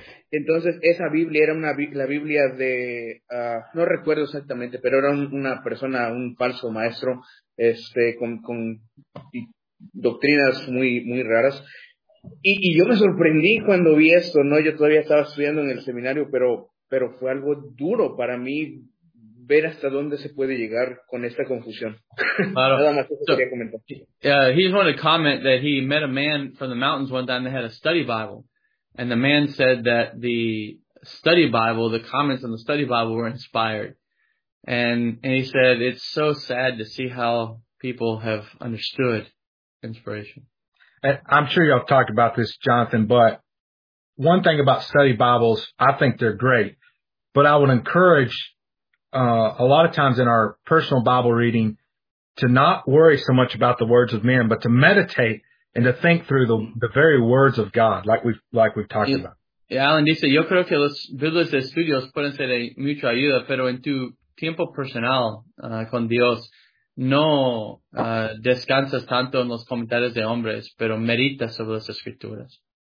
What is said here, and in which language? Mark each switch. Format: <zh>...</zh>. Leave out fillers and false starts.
<es>Entonces esa Biblia era la Biblia de, no recuerdo exactamente, pero era una persona, un falso maestro, con doctrinas muy, muy raras. Y yo me sorprendí cuando vi esto, ¿no? Yo todavía estaba estudiando en el seminario, pero fue algo duro para mí ver hasta dónde se puede llegar con esta confusión. Claro. Nada más eso quería comentar.</es> <en>Yeah, he wanted to comment that he met a man from the mountains one time that had a study Bible. And the man said that the study Bible, the comments on the study Bible were inspired. And he said, it's so sad to see how people have understood inspiration. And I'm sure y'all talked about this, Jonathan, but one thing about study Bibles, I think they're great. But I would encourage a lot of times in our personal Bible reading to not worry so much about the words of men, but to meditate and to think through the very words of God, like we've talked about.</en> <es>Yeah, Alan dice, yo creo que los Biblios de estudios pueden ser de mucha ayuda, pero en tu tiempo personal con Dios, no descansas tanto en los comentarios de hombres, pero meditas sobre las escrituras.</es>